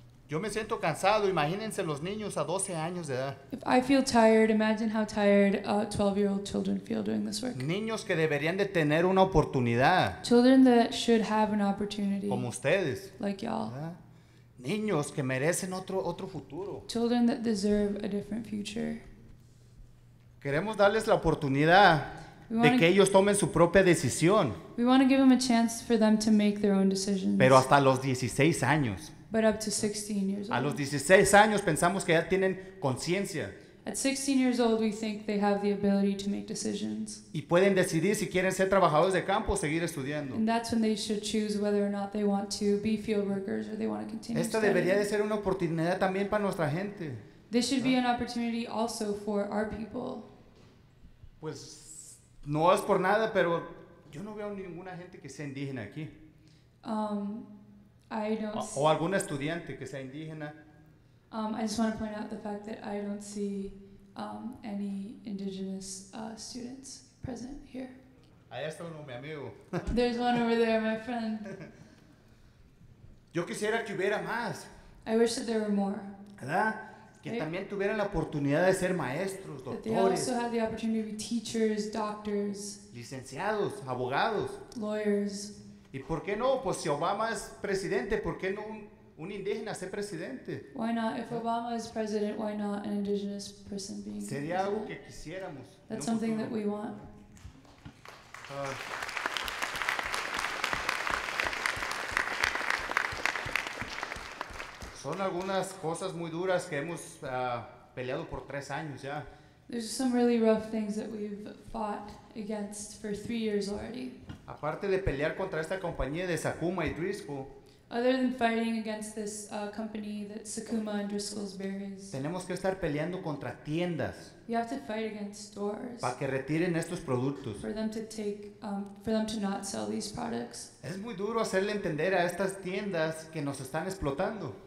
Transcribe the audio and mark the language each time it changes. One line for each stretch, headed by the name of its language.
Spanish: Yo me siento cansado, imagínense los niños a 12 años de edad.
English: If I feel tired, imagine how tired 12-year-old children feel doing this work.
Spanish: Niños que deberían de tener una oportunidad.
English: Children that should have an opportunity.
Spanish: Como ustedes.
English: Like y'all.
Spanish: ¿Verdad? Niños que merecen otro futuro.
English: Children that deserve a different future.
Spanish: Queremos darles la oportunidad de que ellos tomen su propia decisión.
English: We want to give them a chance for them to make their own decisions.
Spanish: Pero hasta los 16 años.
English: But up to 16 years old.
Spanish: A los 16 años pensamos que ya tienen conciencia.
English: At 16 years old, we think they have the ability to make decisions.
Spanish: Y pueden decidir si quieren ser trabajadores de campo o seguir estudiando.
English: And that's when they should choose whether or not they want to be field workers or they want to continue.
Spanish: Esta debería de ser una oportunidad también para nuestra gente.
English: This should be an opportunity also for our people.
Spanish: Pues no es por nada, pero yo no veo ninguna gente que sea indígena aquí.
English: I don't see,
Spanish: o algún estudiante que sea indígena.
English: I just want to point out the fact that I don't see any indigenous students present here.
Spanish: Ahí está uno, mi amigo.
English: There's one over there, my friend.
Spanish: Yo quisiera que hubiera más.
English: I wish that there were more.
Spanish: ¿Verdad? Que también tuvieran la oportunidad de ser maestros, doctores.
English: That they also had the opportunity to be teachers, doctors.
Spanish: Licenciados, abogados.
English: Lawyers.
Spanish: ¿Y por qué no? Pues si Obama es presidente, ¿por qué no un indígena ser presidente?
English: Why not? If Obama is president, why not an indigenous person being
Spanish: Sería Algo que quisiéramos.
English: That's something that we want.
Spanish: Son algunas cosas muy duras que hemos peleado por 3 años ya.
English: There's some really rough things that we've fought against for 3 years already.
Spanish: Aparte de pelear contra esta compañía de Sakuma y Driscoll,
English: other than fighting against this company that Sakuma and Driscoll's berries,
Spanish: tenemos que estar peleando contra tiendas.
English: You have to fight against stores.
Spanish: Para que retiren estos productos.
English: For them to take, for them to not sell these products.
Spanish: Es muy duro hacerle entender a estas tiendas que nos están explotando.